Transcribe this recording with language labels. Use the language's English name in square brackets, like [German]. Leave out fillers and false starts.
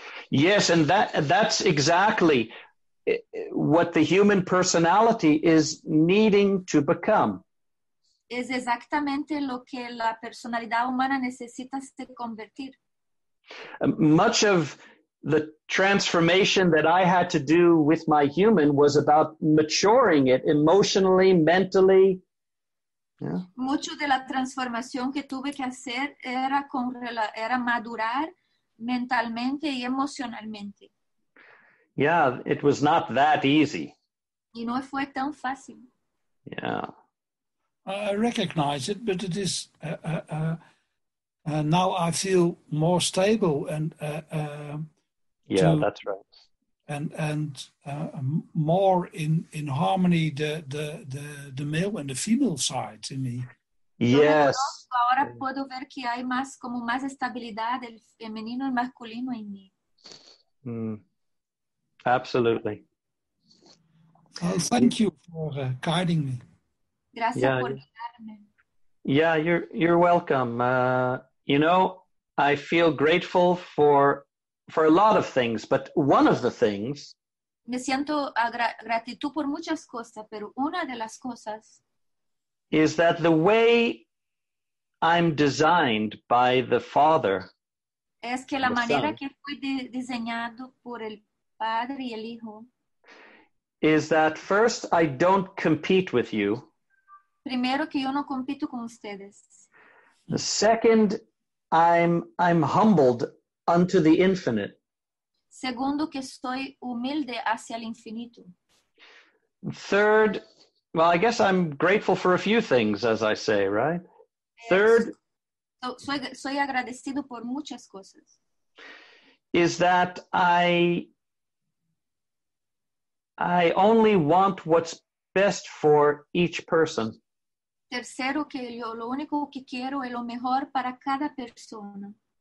[English] Yes, and that's exactly what the human personality is needing to become. [Spanish] Es exactamente lo que la personalidad humana necesita se convertir. [English] Much of the transformation that I had to do with my human was about maturing it emotionally, mentally. Yeah. [Spanish] Mucho de la transformación que tuve que hacer era madurar mentalmente y emocionalmente. [English] Yeah, it was not that easy. [Spanish] Y no fue tan fácil. [English] Yeah. I recognize it, but it is now I feel more stable and that's right. And more in harmony the male and the female sides in me. Yes. [Spanish] Ahora puedo ver que hay más como más estabilidad del femenino y masculino en mí. [English] Absolutely. Well, thank you for guiding me. [Spanish] Gracias por guiarme. [English] Yeah, you're welcome. You know, I feel grateful for a lot of things, but one of the things. [Spanish] Me siento gratitud por muchas cosas, pero una de las cosas. [English] Is that the way I'm designed by the Father. [Spanish] Es que la manera que fui diseñado por el Padre y el Hijo. [English] Is that first I don't compete with you. [Spanish] Primero que yo no compito con ustedes. [English] The second, I'm humbled unto the infinite. [Spanish] Segundo, que estoy humilde hacia el infinito. [English] Third, well, I guess I'm grateful for a few things, as I say, right? Third, [Spanish] soy agradecido por muchas cosas. [English] Is that I only want what's best for each person. [Spanish] Tercero, que yo lo único que quiero es lo mejor para cada persona.